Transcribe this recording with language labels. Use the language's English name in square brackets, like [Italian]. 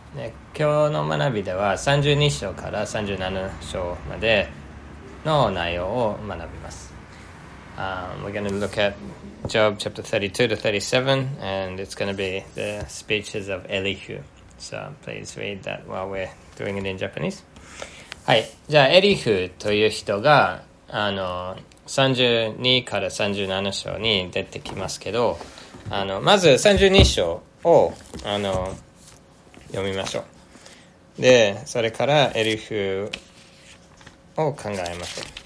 [Japanese] で、今日の学びでは32章から37章までの内容を学びます。 [English] We're going to look at Job chapter 32 to 37 and it's going to be the speeches of Elihu. So please read that while we're doing it in Japanese. [Japanese] はい、じゃあエリフという人が32から37章に出てきますけど、まず32章を読みましょう。で、それからエリフを考えましょう。